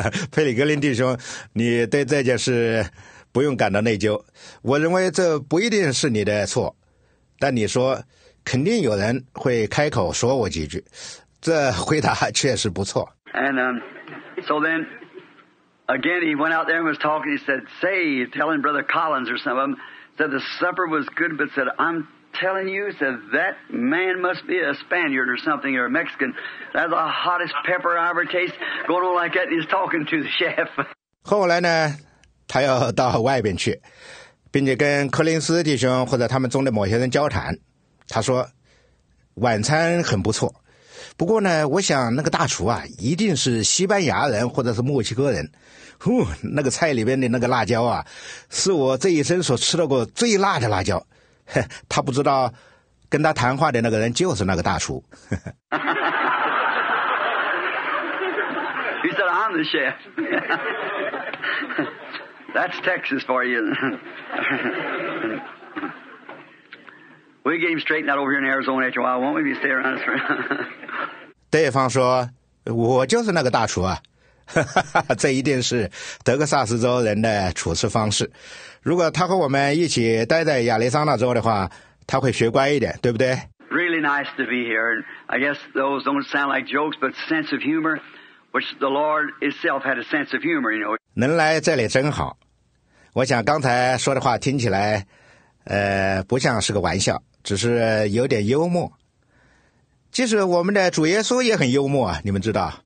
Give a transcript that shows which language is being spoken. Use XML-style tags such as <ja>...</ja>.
<zh>佩里格林弟兄，你对这件事不用感到内疚。我认为这不一定是你的错，但你说肯定有人会开口说我几句，这回答确实不错。</zh> <en>And, So then, again, he went out there and was talking. He said, say, telling Brother Collins or some of them, said the supper was good, but said, I'm telling you, said that man must be a Spaniard or something or a Mexican. That's the hottest pepper I ever tasted. Going on like that, and he's talking to the chef.</en> <zh>后来呢，他要到外边去，并且跟柯林斯弟兄或者他们中的某些人交谈。他说，晚餐很不错。不过呢，我想那个大厨啊，一定是西班牙人或者是墨西哥人。呼，那个菜里边的那个辣椒啊，是我这一生所吃到过最辣的辣椒。他不知道，跟他谈话的那个人就是那个大厨。</zh> <en>He said, I'm the chef. That's Texas for you. We get him straightened out over here in Arizona after a while, won't we? If you stay around us for...</en> <zh>对方说，我就是那个大厨啊。这一定是德克萨斯州人的处事方式。如果他和我们一起待在亚利桑那州的话，他会学乖一点，对不对？</zh> <en>Really nice to be here. I guess those don't sound like jokes, but sense of humor, which the Lord itself had a sense of humor, you know.</en> <zh>能来这里真好。我想刚才说的话听起来，不像是个玩笑，只是有点幽默。即使我们的主耶稣也很幽默啊，你们知道。</zh>